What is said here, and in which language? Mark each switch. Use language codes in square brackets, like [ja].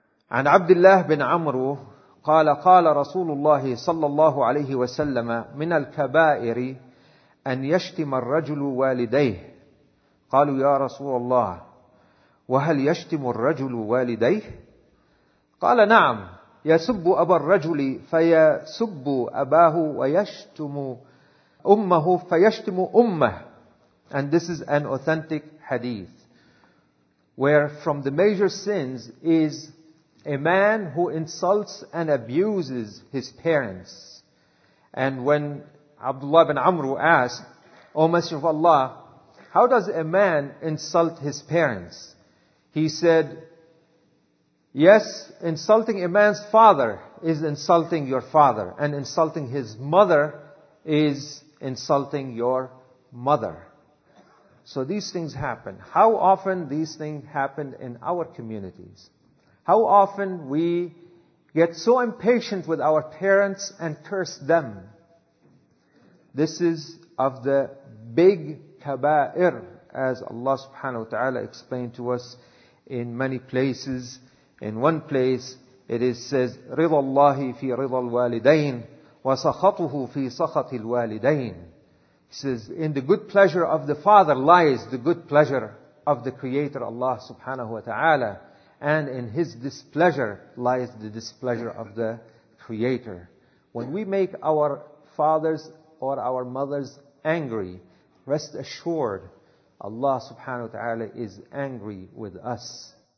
[ar] عن عبد الله بن عمرو قال قال رسول الله صلى الله عليه وسلم من الكبائر أن يشتم الرجل والديه. قالوا يا رسول الله وهل يشتم الرجل والديه؟ قال نعم, يسب أبا الرجل فيسب أباه ويشتم أمه فيشتم أمه. [en] And this is an authentic hadith, where from the major sins is a man who insults and abuses his parents. And when Abdullah bin Amru asked, O Messenger of Allah, how does a man insult his parents? He said, yes, insulting a man's father is insulting your father, and insulting his mother is insulting your mother. So these things happen. How often these things happen in our communities? How often we get so impatient with our parents and curse them? This is of the big kaba'ir, as Allah subhanahu wa ta'ala explained to us in many places. In one place, it is says, [ar] رِضَى اللَّهِ فِي رِضَى الْوَالِدَيْنِ وَسَخَطُهُ فِي سَخَطِ الْوَالِدَيْنِ. [en] It says, in the good pleasure of the father lies the good pleasure of the Creator Allah subhanahu wa ta'ala, and in his displeasure lies the displeasure of the Creator. When we make our fathers or our mothers angry, rest assured, Allah subhanahu wa ta'ala is angry with us.